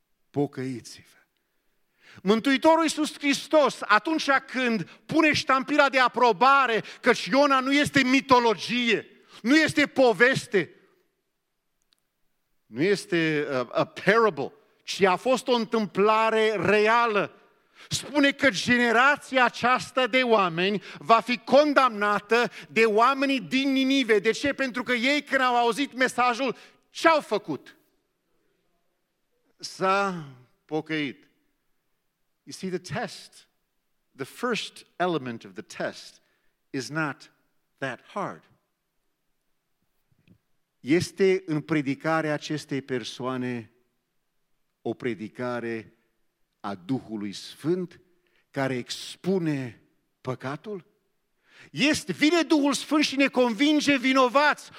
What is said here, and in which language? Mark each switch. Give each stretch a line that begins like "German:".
Romanian: Pocăiți-vă! Mântuitorul Iisus Hristos, atunci când pune ștampila de aprobare, căci Iona nu este mitologie, nu este poveste, nu este
English: a parable,
Romanian: ci a fost o întâmplare reală, spune că generația aceasta de oameni va fi condamnată de oamenii din Ninive. De ce? Pentru că ei, când au auzit mesajul, ce au făcut? S-a pocăit.
English: You see, the test, the first element of the test is not that hard.
Romanian: Este în predicarea acestei persoane o predicare a Duhului Sfânt care expune păcatul? Este, vine Duhul Sfânt și ne convinge vinovați.